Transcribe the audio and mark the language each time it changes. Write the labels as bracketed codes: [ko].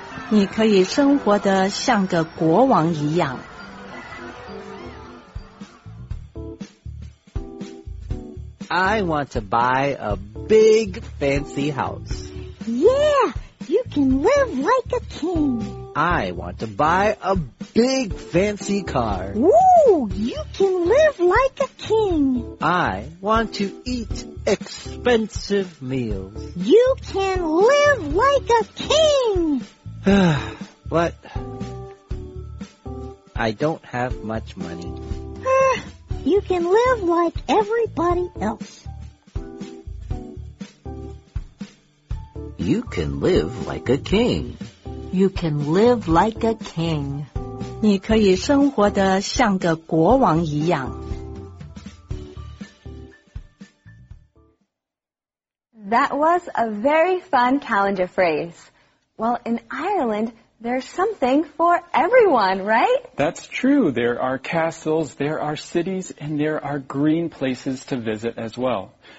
[zh] 你可以生活得像个国王一样。 [en] I want to buy a big fancy house. Yeah, you can live like a king. I want to buy a big fancy car. Ooh, you can live like a king. I want to eat expensive meals. You can live like a king. But I don't have much money. You can live like everybody else. You can live like a king. You can live like a king. [zh] 你可以生活得像个国王一样。 [en] That was a very fun calendar phrase. Well, in Ireland, There's something for everyone, right? That's true. There are castles, there are cities, and there are green places to visit as well.